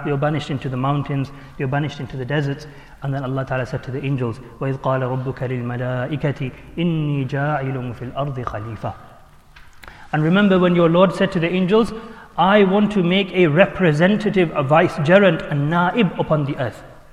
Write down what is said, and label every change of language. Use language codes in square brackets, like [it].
[en] They were banished into the mountains, they were banished into the deserts. And then Allah ta'ala said to the angels, [ar] وَإِذْ قَالَ رَبُّكَ لِلْمَلَائِكَةِ إِنِّي جَاعِلٌ فِي الْأَرْضِ خَلِيفَةٌ. [en] And remember when your Lord said to the angels, I want to make a representative, a vicegerent, a na'ib upon the earth.